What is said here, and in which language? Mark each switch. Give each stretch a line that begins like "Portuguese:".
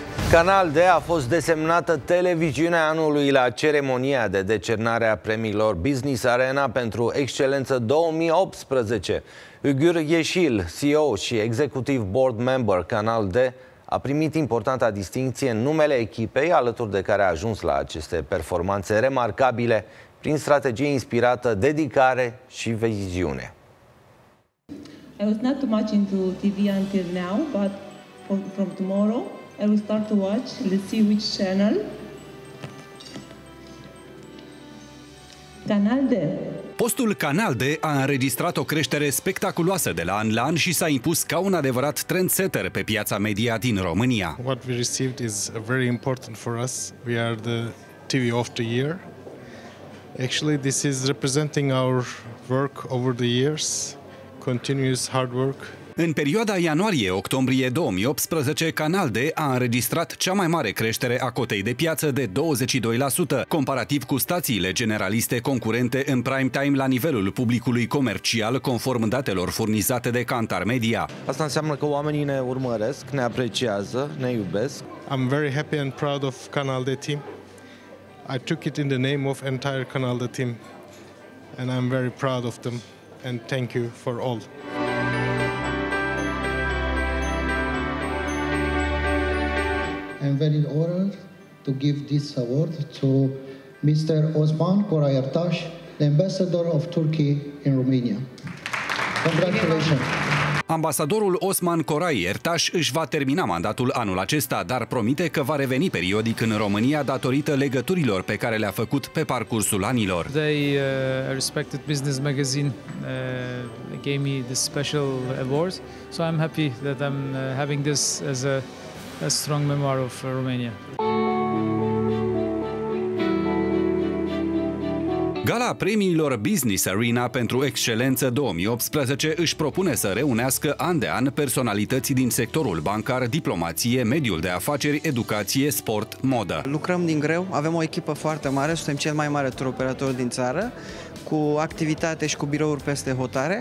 Romanian: Canal D a fost desemnată televiziunea anului la ceremonia de decernare a premiilor Business Arena pentru excelență 2018. Ugur Yeşil, CEO și
English: executive board member
Romanian: Canal D, a primit importanta distincție în numele echipei, alături de care a ajuns la aceste performanțe remarcabile prin strategie inspirată, dedicare și viziune.
English: I was not too much into TV until now, but from tomorrow I will start to watch, let's see which channel. Canal D.
Romanian: Postul Canal D a înregistrat o creștere spectaculoasă de la an la an și s-a impus ca un adevărat trendsetter pe piața media din România.
English: What we received is very important for us. We are the TV of the year. Actually, this is representing our work over the years, continuous hard work.
Romanian: În perioada ianuarie-octombrie 2018, Canal D a înregistrat cea mai mare creștere a cotei de piață de 22%, comparativ cu stațiile generaliste concurente în prime time la nivelul publicului comercial, conform datelor furnizate de Kantar Media. Asta înseamnă că oamenii ne urmăresc, ne apreciază, ne iubesc.
English: I'm very happy and proud of Canal D team. I took it in the name of entire Canal D team. And I'm very proud of them and thank you for all. I'm very honored to give this award to Mr. Osman Korayertaş, the ambassador of Turkey in Romania. Congratulations.
Romanian: Ambasadorul Osman Korayertaş își va termina mandatul anul acesta, dar promite că va reveni periodic în România datorită legăturilor pe care le-a făcut pe parcursul anilor.
English: They, a respected business magazine, gave me this special award, so I'm happy that I'm having this as a strong memoir of Romania.
Romanian: Gala premiilor Business Arena pentru excelență 2018 își propune să reunească an de an personalități din sectorul bancar, diplomație, mediul de afaceri, educație, sport, modă. Lucrăm din greu, avem o echipă foarte mare, suntem cel mai mare tur operator din țară, cu activitate și cu birouri peste hotare.